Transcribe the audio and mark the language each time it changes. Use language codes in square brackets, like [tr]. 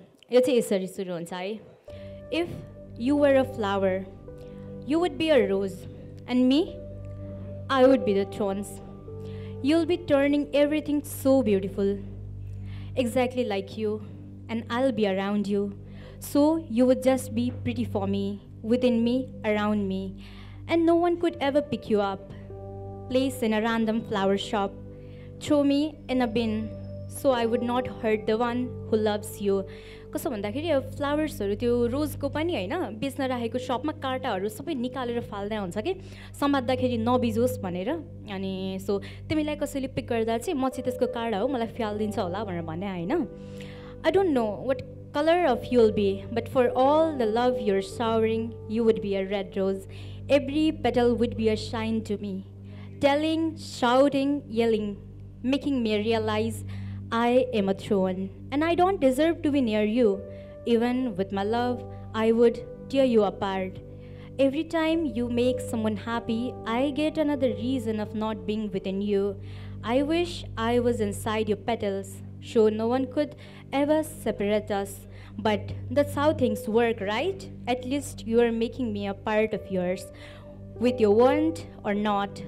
[en] यो चाहिँ यसरी सुरु हुन्छ है if you were a flower you would be a rose and me I would be the thrones You'll be turning everything so beautiful, exactly like you, and I'll be around you. So you would just be pretty for me, within me, around me, and no one could ever pick you up. Place in a random flower shop. Throw me in a bin so I would not hurt the one who loves you. [ne] कसो भन्दाखेरि अब फ्लावर्सहरू त्यो रोजको पनि होइन बेच्न राखेको सपमा काँटाहरू सबै निकालेर फाल्दै हुन्छ कि सम्हाल्दाखेरि नबिजोस् भनेर अनि सो तिमीलाई कसैले पिक गर्दा चाहिँ म चाहिँ त्यसको काँडा हो मलाई फ्यालिदिन्छ होला भनेर भने होइन I don't know white colour of you will be but for all the love you are सावरिङ you would be a red rose [en] Every petal would be a sign to me telling shouting yelling making me realise I am a throne, and I don't deserve to be near you. Even with my love, I would tear you apart. Every time you make someone happy, I get another reason of not being within you. I wish I was inside your petals, so no one could ever separate us. But that's how things work, right? At least you are making me a part of yours, with your want or not.